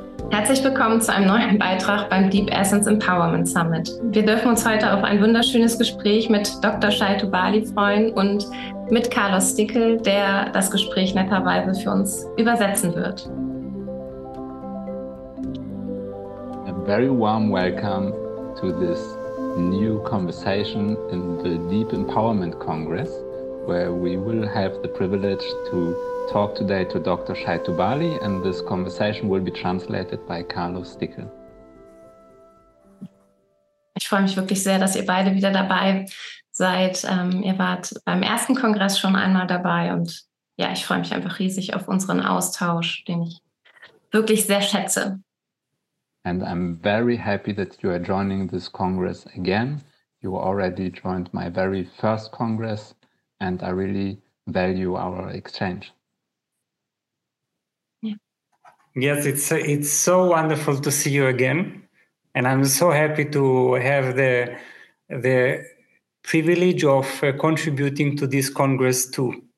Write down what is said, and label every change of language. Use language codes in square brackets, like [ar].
[de] Herzlich willkommen zu einem neuen Beitrag beim Deep Essence Empowerment Summit. Wir dürfen uns heute auf ein wunderschönes Gespräch mit Dr. Shai Tubali freuen und mit Carlos Stickel, der das Gespräch netterweise für uns übersetzen wird. [en] A very warm welcome to this new conversation in the Deep Empowerment Congress, where we will have the privilege to talk today to Dr. Shai Tubali, and this conversation will be translated by Carlos Stickel. [de] Ich freue mich wirklich sehr, dass ihr beide wieder dabei seid. Ihr wart beim ersten Kongress schon einmal dabei und ja, ich freue mich einfach riesig auf unseren Austausch, den ich wirklich sehr schätze. [en] And I'm very happy that you are joining this Congress again. You already joined my very first Congress and I really value our exchange. Yes, it's so wonderful to see you again, and I'm so happy to have the privilege of contributing to this Congress too.